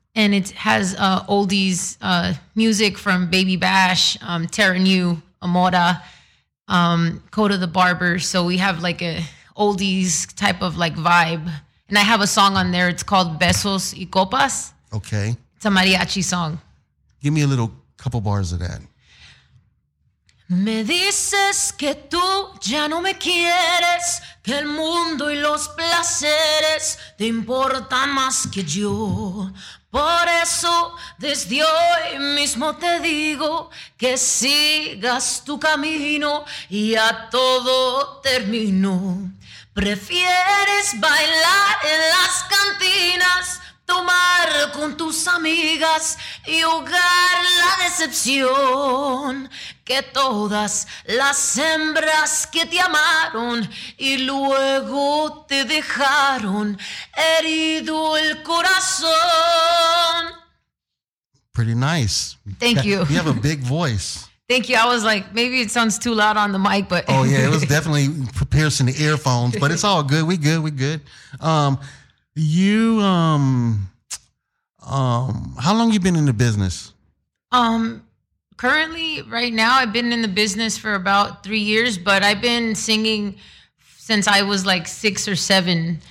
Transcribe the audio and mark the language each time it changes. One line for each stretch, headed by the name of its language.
English: And it has oldies music from Baby Bash, Terra New, Amora, Coda the Barber. So we have like a oldies type of like vibe. And I have a song on there. It's called Besos y Copas. Okay. It's a mariachi song. Give me a little couple bars of that.
Spanish: Me dices que tú ya no me quieres, que el mundo y los placeres te importan más que yo. Por eso, desde hoy mismo te digo que sigas tu camino y a todo termino. Prefieres bailar en las cantinas, tomar con tus amigas y jugar la decepción. Que todas las hembras que te amaron y luego te dejaron herido el corazón.
English: Pretty nice. Thank you. You have a big voice. Thank you. I was like, maybe it sounds too loud on the mic, but. Oh, yeah. It was definitely piercing the earphones, but it's all good. We good. You, how long you been in the business? Currently, right now, I've been in the business for about 3 years, but I've been singing since I was like 6 or 7.